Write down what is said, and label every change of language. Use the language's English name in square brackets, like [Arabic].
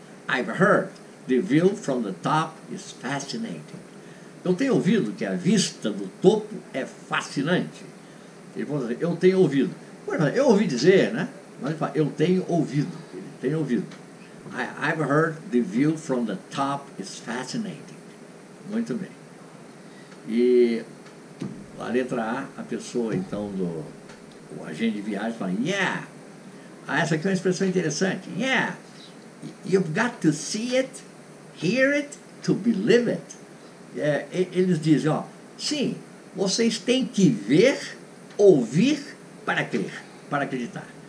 [English] I've heard, the view from the top is fascinating. [Portuguese] Eu tenho ouvido que a vista do topo é fascinante. Ele falou assim, eu tenho ouvido. Eu ouvi dizer, né? Mas ele fala, eu tenho ouvido. Ele tem ouvido. [English] I've heard the view from the top is fascinating. [Portuguese] Muito bem. E a letra A, a pessoa, então, do o agente de viagem fala, yeah. Essa aqui é uma expressão interessante. [English] Yeah. You've got to see it, hear it, to believe it. [Portuguese] É, eles dizem, ó, sim, vocês têm que ver, ouvir, para crer, para acreditar.